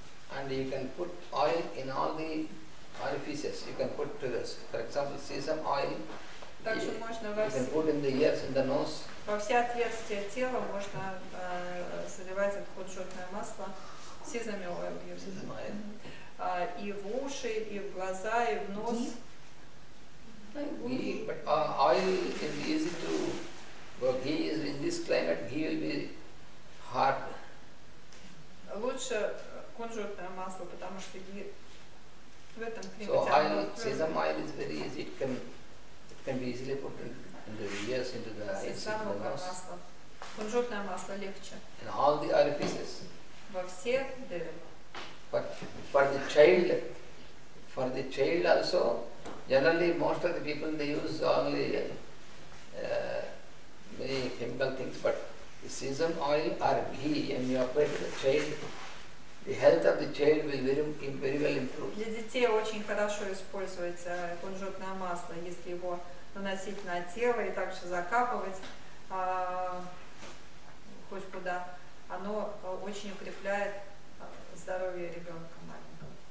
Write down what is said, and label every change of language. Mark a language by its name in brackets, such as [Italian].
[English] And you can put oil in all the orifices. You can put, for example, sesame oil. [Russian] Также можно во все... [English] You can put in the ears, in the nose. [Russian] Во все отверстия тела можно заливать это ходжутное масло. [English] Sesame oil. Sesame oil. [Russian] И в уши, и в глаза, и в нос. [English] But oil is easy to... But ghee is in this climate, ghee will be hard. [Russian] Лучше кунжутное масло, потому что ghee в этом климате... [English] So oil, sesame oil is very easy. It can be easily put in the ears, into the eyes, into the nose. [Russian] Кунжутное масло легче. [English] In all the orifices. [Russian] Во все дыры. [English] But for the child also, generally most of the people they use only many chemical things, but the sesame oil or ghee, and you apply to the child, the health of the child will very well improve. [Russian] Для детей очень хорошо используется кунжутное масло, если его наносить на тело и также закапывать хоть куда. Оно очень укрепляет здоровье ребенка маленького.